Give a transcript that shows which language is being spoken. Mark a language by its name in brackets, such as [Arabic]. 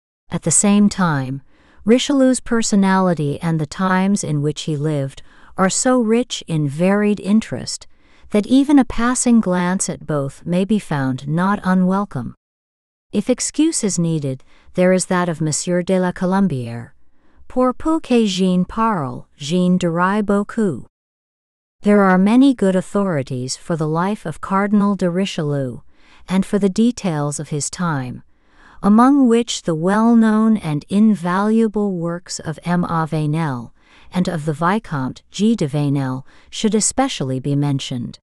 [English] At the same time, Richelieu's personality and the times in which he lived are so rich in varied interest that even a passing glance at both may be found not unwelcome. If excuse is needed, there is that of Monsieur de la Colombière. [French] Pour peu que Jean parle, Jean deraille beaucoup. [English] There are many good authorities for the life of Cardinal de Richelieu and for the details of his time, among which the well-known and invaluable works of M. A. Vainel and of the Vicomte G. de Vainel should especially be mentioned.